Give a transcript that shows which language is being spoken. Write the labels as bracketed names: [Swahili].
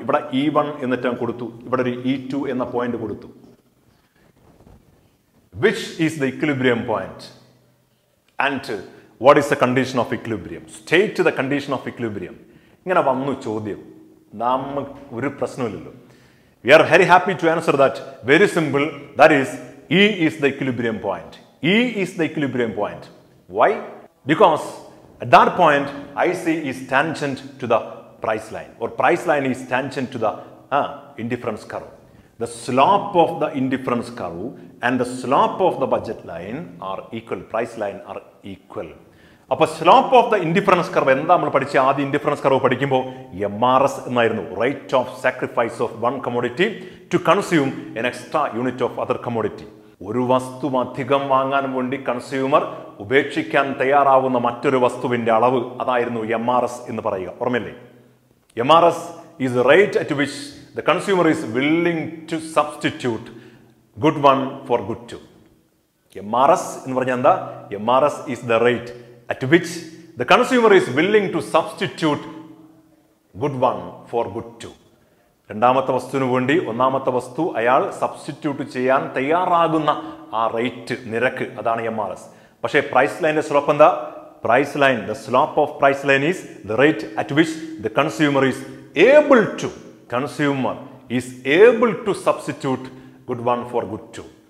[Malayalam] ഇവിടെ E one എന്ന term കൊടുത്തു, ഇവിടെ ഒരു ഇ ടു എന്ന പോയിന്റ് കൊടുത്തു. [English] Which is the equilibrium point and what is the condition of equilibrium? State the condition of equilibrium. [Malayalam] ഇങ്ങനെ വന്നു ചോദ്യം, നമ്മൾ ഒരു പ്രശ്നമില്ലല്ലോ. [English] We are very happy to answer that. Very simple. That is, E is the equilibrium point. E is the equilibrium point. Why? Because at that point, IC is tangent to the price line. Or price line is tangent to the indifference curve. The slope of the indifference curve and the slope of the budget line are equal. Price line are equal. [Malayalam] അപ്പൊ slope of the indifference curve എന്താ നമ്മൾ പഠിച്ച? ആദ്യം indifference curve പഠിക്കുമ്പോൾ M R S എന്നായിരുന്നു, [English] Rate of sacrifice of one commodity to consume an extra unit of other commodity. [Malayalam] ഒരു വസ്തു അധികം വാങ്ങാൻ വേണ്ടി കൺസ്യൂമർ ഉപേക്ഷിക്കാൻ തയ്യാറാവുന്ന മറ്റൊരു വസ്തുവിന്റെ അളവ്, അതായിരുന്നു എം ആർ എസ് എന്ന് പറയുക. ഓർമ്മയില്ലേ? [English] M R S is rate at which the consumer is willing to substitute good one for good two. [Malayalam] M R S എന്ന് പറഞ്ഞാൽ എന്താ? [English] M R S is the rate at which the consumer is willing to substitute good one for good two. [Malayalam] രണ്ടാമത്തെ വസ്തുവിന് വേണ്ടി ഒന്നാമത്തെ വസ്തു അയാൾ substitute ചെയ്യാൻ തയ്യാറാകുന്ന ആ റേറ്റ് നിരക്ക്, അതാണ് എം ആർ എസ്. പക്ഷേ പ്രൈസ് ലൈനിന്റെ സ്ലോപ്പ് എന്താ? [English] Price line, the slope of price line is the rate at which the consumer is able to, consumer is able to substitute good one for good two.